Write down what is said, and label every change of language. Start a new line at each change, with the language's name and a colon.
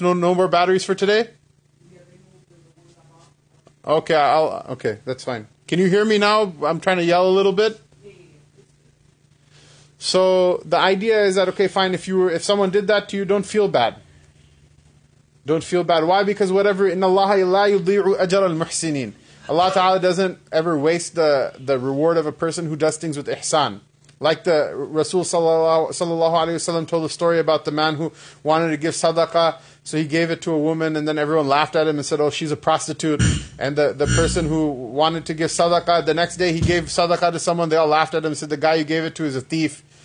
English: No more batteries for today? Okay, that's fine. Can you hear me now? I'm trying to yell a little bit. So the idea is that, okay, fine, if someone did that to you, don't feel bad. Don't feel bad. Why? Because whatever,
Arabic: إِنَّ اللَّهَ إِلَّا يُضِيعُ أَجَرَ الْمُحْسِنِينَ.
English: Allah Ta'ala doesn't ever waste the reward of a person who does things with ihsan. Like the Rasul Sallallahu Alaihi Wasallam told a story about the man who wanted to give sadaqah, so he gave it to a woman and then everyone laughed at him and said, oh, she's a prostitute. And the person who wanted to give sadaqah, the next day he gave sadaqah to someone, they all laughed at him and said, the guy you gave it to is a thief.